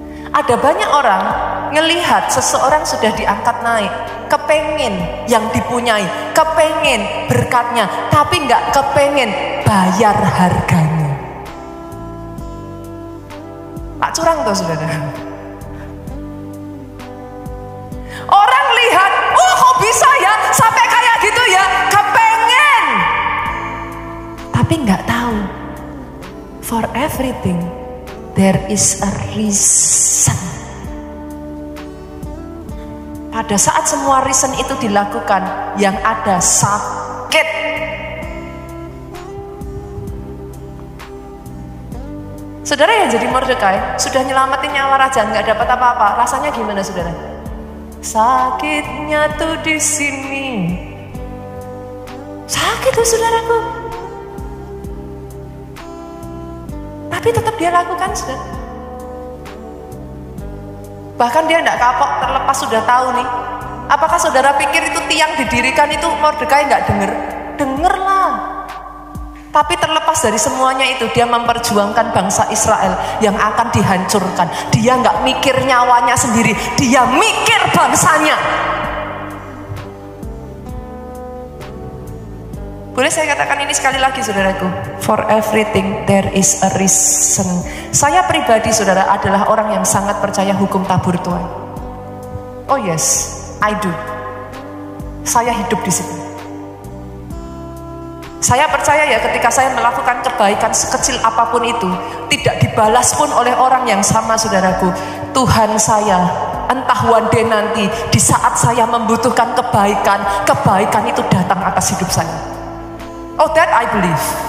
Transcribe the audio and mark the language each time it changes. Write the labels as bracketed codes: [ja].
[id] Ada banyak orang ngelihat seseorang sudah diangkat naik, kepengen yang dipunyai, kepengen berkatnya, tapi enggak kepengen bayar harganya. Tak curang tuh saudara. Orang lihat, oh kok bisa ya sampai kayak gitu ya, kepengen. Tapi enggak tahu. [en] For everything there is a reason. [id] Pada saat semua reason itu dilakukan, yang ada sakit. Saudara yang jadi Mordekai sudah nyelamatin nyawa raja, enggak dapat apa-apa. Rasanya gimana saudara? Sakitnya tuh di sini. Sakit tuh saudaraku. Tapi tetap dia lakukan saudara. Bahkan dia enggak kapok, terlepas sudah tahu nih. Apakah saudara pikir itu tiang didirikan itu Mordekai enggak dengar? Dengarlah. Tapi terlepas dari semuanya itu, dia memperjuangkan bangsa Israel yang akan dihancurkan. Dia enggak mikir nyawanya sendiri, dia mikir bangsanya. Boleh saya katakan ini sekali lagi saudaraku? [en] For everything there is a reason. [id] Saya pribadi saudara adalah orang yang sangat percaya hukum tabur tuai. [en] Oh yes, I do. [id] Saya hidup di situ. Saya percaya ya, ketika saya melakukan kebaikan sekecil apapun itu, tidak dibalas pun oleh orang yang sama saudaraku, Tuhan saya, entah [en] one day [id] nanti, di saat saya membutuhkan kebaikan, kebaikan itu datang atas hidup saya. [en] Oh, that I believe.